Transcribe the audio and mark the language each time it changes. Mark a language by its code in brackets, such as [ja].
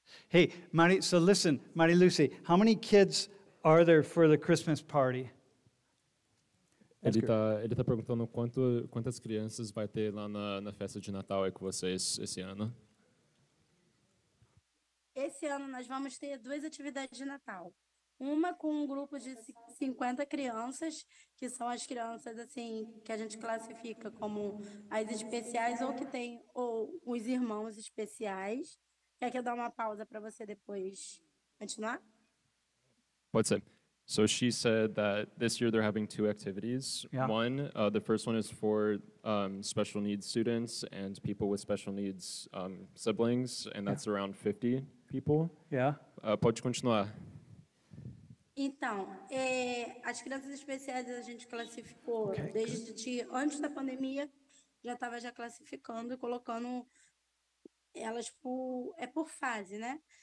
[en] Hey, Mari, so listen, Mari Lucy, how many kids are there for the Christmas party? [pt] Ele tá perguntando quantas crianças vai ter lá na festa de Natal aí com vocês esse ano. Esse ano nós vamos ter duas atividades de Natal. Uma com um grupo de 50 crianças, que são as crianças assim que a gente classifica como as especiais ou que tem ou os irmãos especiais. Quer que eu dê uma pausa para você depois continuar? Pode ser. [en] So she said that this year they're having two activities. Yeah. One, the first one is for special needs students and people with special needs siblings, and that's around 50 people. Yeah. [pt] Pode continuar. Então, as crianças especiais a gente classificou antes da pandemia, já estava já classificando e colocando elas por fase, né?